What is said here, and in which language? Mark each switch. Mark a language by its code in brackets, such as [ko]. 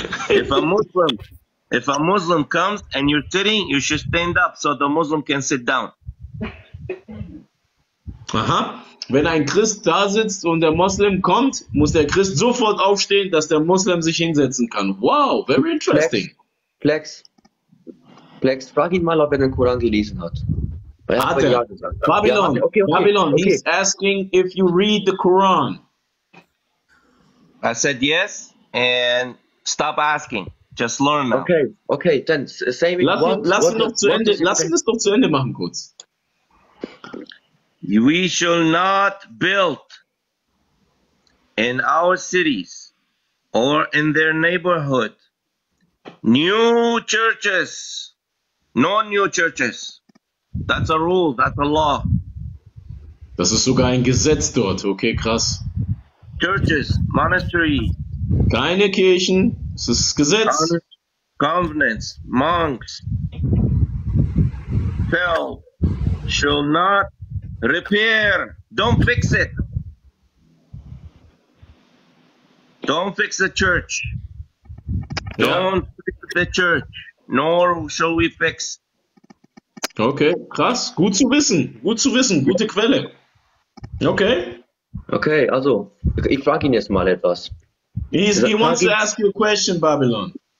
[en] If a Muslim comes and you're sitting, you should stand up so the Muslim can sit down. Aha. [de] Wenn ein Christ da sitzt und der Muslim kommt, muss der Christ sofort aufstehen, dass der Muslim sich hinsetzen kann. [en] Wow, very interesting. [de] Flex, frag ihn mal, ob er den Koran gelesen hat. [en] Babylon, he's asking if you read the Quran. I said yes, and stop asking. Just learn now. Okay, then say me. [de] Lass ihn das doch zu Ende machen, kurz. [en] We shall not build in our cities or in their neighborhood new churches, no new churches. That's a rule, that's a law. [de] Das ist sogar ein Gesetz dort, okay, krass. [en] Churches, monasteries. [de] Keine Kirchen, es ist Gesetz. [en] convents, monks, fell, shall not repair. Don't fix it. Don't fix the church. Yeah. Don't fix the church. Nor shall we fix. [de] Okay, krass. Gut zu wissen. Gut zu wissen. Gute Quelle. Okay. Okay, also, ich frage ihn jetzt mal etwas. [en] He wants to ask you a question, Babylon.